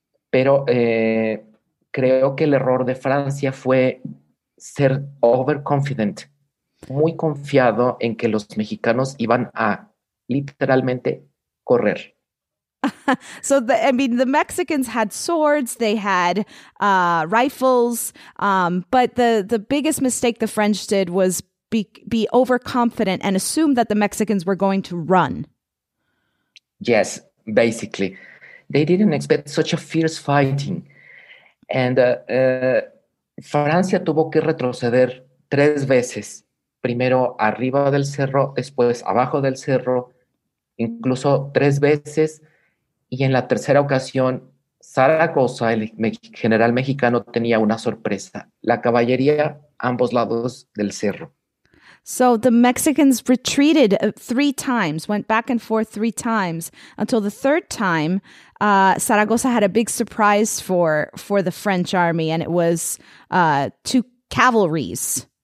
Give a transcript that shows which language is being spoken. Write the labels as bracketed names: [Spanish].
[Spanish] Pero creo que el error de Francia fue ser overconfident, muy confiado en que los mexicanos iban a literalmente correr. [English] So, the Mexicans had swords, they had rifles, but the biggest mistake the French did was be overconfident and assume that the Mexicans were going to run. Yes, basically. They didn't expect such a fierce fighting. [Spanish] And Francia tuvo que retroceder tres veces. Primero arriba del cerro, después abajo del cerro, incluso tres veces. Y en la tercera ocasión, Zaragoza, el general mexicano, tenía una sorpresa. La caballería, ambos lados del cerro. [English] So the Mexicans retreated three times, went back and forth three times, until the third time, Zaragoza had a big surprise for the French army, and it was two cavalries.